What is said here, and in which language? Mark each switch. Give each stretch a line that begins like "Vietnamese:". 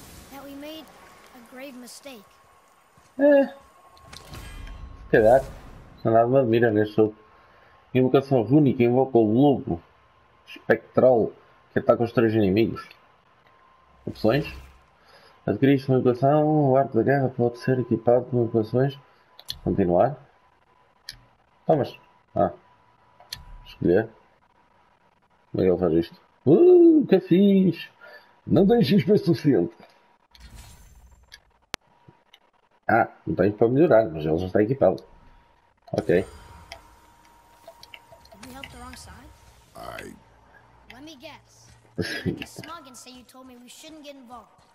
English: That we made a grave mistake.
Portuguese: Que dar? Nada me admira nesse jogo. Invocação rúnica invoca o lobo espectral que ataca os três inimigos. Opções? Adquirir esta invocação, o arco da guerra pode ser equipado com invocações. Continuar. Tomas. Escolher. Como é que ele faz isto? Que fixe! Não tens XP suficiente! Não tens para melhorar, mas ele já está equipado. Ok.
English: Did we help the wrong side? I... Let me guess. You can smug and say you told me we shouldn't get involved.